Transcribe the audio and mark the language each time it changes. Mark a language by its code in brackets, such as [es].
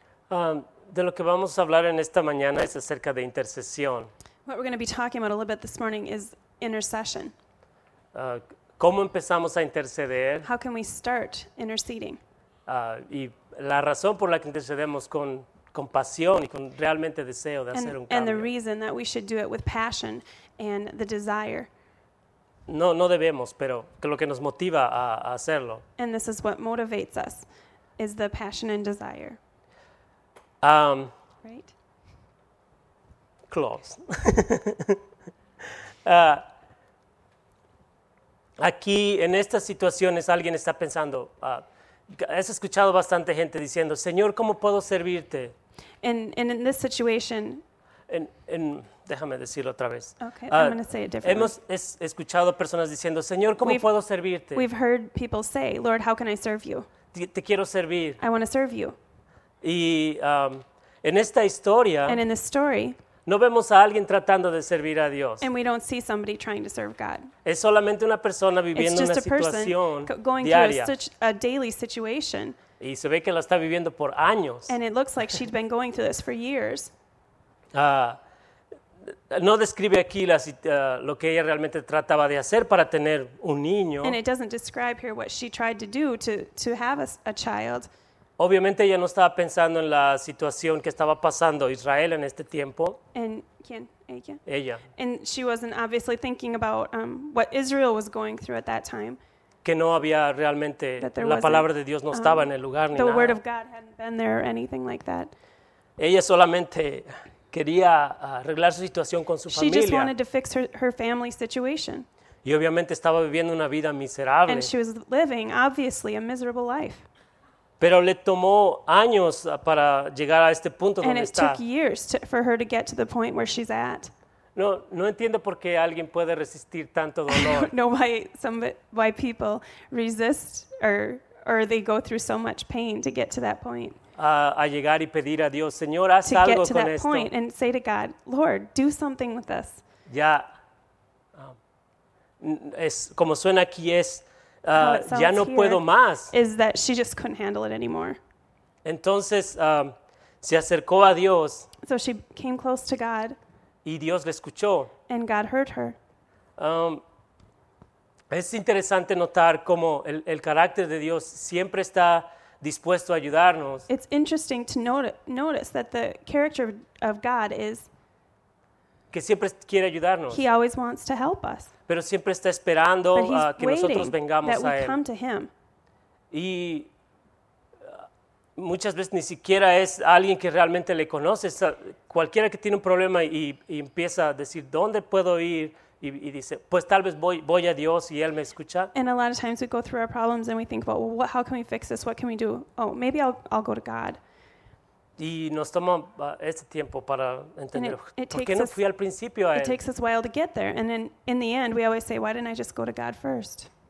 [es] De lo que vamos a hablar en esta mañana es acerca de intercesión. [en] What we're going to be talking about a little bit this morning is intercession. [es] ¿Cómo empezamos a interceder? [en] How can we start interceding? [es] Y la razón por la que intercedemos con compasión y con realmente deseo de hacer un cambio. [en] And the reason that we should do it with passion and the desire. [es] No debemos, pero lo que nos motiva a hacerlo. [en] And this is what motivates us, is the passion and desire. Right? Close. [es] aquí, en estas situaciones, alguien está pensando, has escuchado bastante gente diciendo, Señor, ¿cómo puedo servirte? [en] In this situation, [es] déjame decirlo otra vez. [en] Okay, I'm going to say it differently. [es] Hemos escuchado personas diciendo, Señor, ¿cómo puedo servirte? [en] We've heard people say, Lord, how can I serve you? [es] Te quiero servir. [en] I want to serve you. [es] Y en esta historia, [en] and in this story, [es] no vemos a alguien tratando de servir a Dios. [en] And we don't see somebody trying to serve God. [es] Es solamente una persona viviendo una situación [en] going [es] diaria. [en] Through a daily situation. [es] Y se ve que la está viviendo por años. [en] And it looks like she'd been going through this for years. [es] No describe aquí lo que ella realmente trataba de hacer para tener un niño. [en] And it doesn't describe here what she tried to do to have a child. [es] Obviamente ella no estaba pensando en la situación que estaba pasando Israel en este tiempo. And quién? Ella. Ella. [en] And she wasn't obviously thinking about what Israel was going through at that time. [es] Que no había realmente, la palabra de Dios no estaba en el lugar ni [en] the [es] nada. [en] The word of God hadn't been there or anything like that. [es] Ella solamente quería arreglar su situación con su [en] she [es] familia. [en] She just wanted to fix her family situation. [es] Y obviamente estaba viviendo una vida miserable. [en] And she was living, obviously, a miserable life. [es] Pero le tomó años para llegar a este punto donde está. [en] And it took years for her to get to the point where she's at. [es] No entiendo por qué alguien puede resistir tanto dolor. [en] I don't know why people resist or they go through so much pain to get to that point. [es] A llegar y pedir a Dios, Señor, haz algo con esto. [en] To get to that point and say to God, Lord, do something with this. [es] Ya, es como suena aquí es. Ya no puedo más. [en] Is that she just couldn't handle it anymore. [es] Entonces, se acercó a Dios. [en] So she came close to God. [es] Y Dios le escuchó. [en] And God heard her. [es] Es interesante notar cómo el carácter de Dios siempre está dispuesto a ayudarnos. [en] It's interesting to notice that the character of God is [es] que siempre quiere ayudarnos. [en] He always wants to help us. [es] Pero siempre está esperando que nosotros vengamos [en] that we [es] a él. [en] Come to him. [es] Y muchas veces ni siquiera es alguien que realmente le conoce. Cualquiera que tiene un problema y empieza a decir, ¿dónde puedo ir? Y dice, pues tal vez voy a Dios y él me escucha. [en] And a lot of times we go through our problems and we think about, well, how can we fix this? What can we do? Oh, maybe I'll go to God. [es] Y nos toma este tiempo para entender, ¿por qué no fui al principio a él? [en] It takes us a while to get there. And then in the end, we always say, why didn't I just go to God first?